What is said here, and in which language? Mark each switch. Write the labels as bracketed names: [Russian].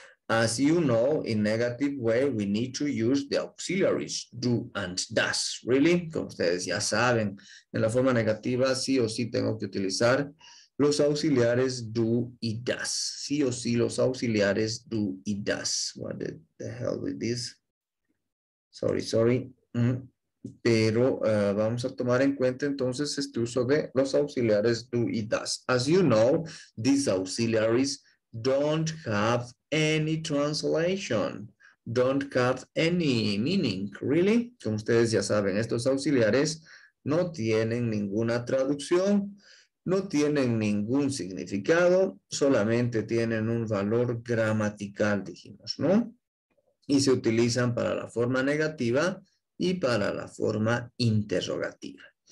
[English] As you know, in negative way, we need to use the auxiliaries do and does. Really? [Spanish] Como ustedes ya saben, en la forma negativa sí o sí tengo que utilizar los auxiliares do y does. Sí o sí los auxiliares do y does. [English] What the hell with this? Sorry. [Spanish] Pero vamos a tomar en cuenta entonces este uso de los auxiliares do y does. [English] As you know, these auxiliaries don't have any translation, don't have any meaning, really. [Spanish] Como ustedes ya saben, estos auxiliares no tienen ninguna traducción, no tienen ningún significado, solamente tienen un valor gramatical, dijimos, ¿no? Y se utilizan para la forma negativa y para la forma interrogativa.